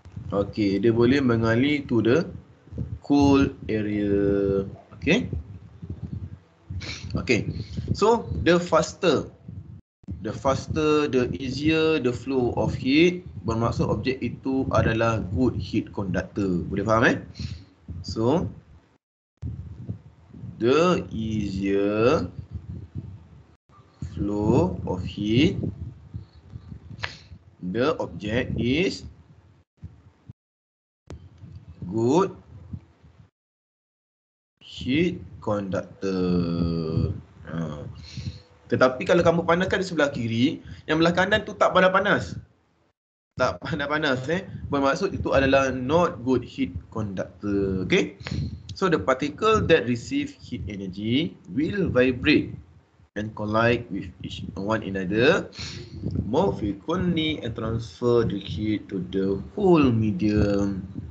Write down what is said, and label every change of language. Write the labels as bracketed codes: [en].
[ms] Okay, dia boleh mengalir [en] to the cold area. [ms] Okay. [en] Okay, so the faster, the easier the flow of heat. [ms] Bermaksud objek itu adalah [en] good heat conductor. [ms] Boleh faham eh? [en] So, the easier flow of heat, the object is good heat conductor. [ms] Tetapi kalau kamu panaskan di sebelah kiri, yang belah kanan tu tak panas-panas. Tak panas-panas eh. Bermaksud itu adalah [en] not good heat conductor. Okay. So the particle that receive heat energy will vibrate and collide with each one another more frequently and transfer the heat to the whole medium.